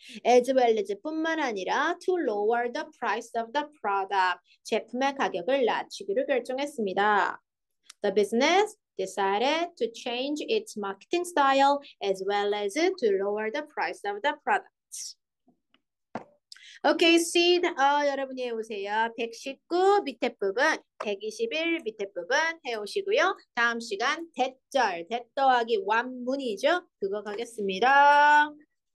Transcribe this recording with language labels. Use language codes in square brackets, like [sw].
[en] As well as [ko] 뿐만 아니라 [en] to lower the price of the product. [ko] 제품의 가격을 낮추기로 결정했습니다. [en] The business decided to change its marketing style as well as to lower the price of the product. Okay, seed. [ko] 여러분, 예, 오세요. 119 밑에 부분, 121 밑에 부분 해 오시고요. 다음 시간 대절, 대 더하기 완문이죠. 그거 가겠습니다.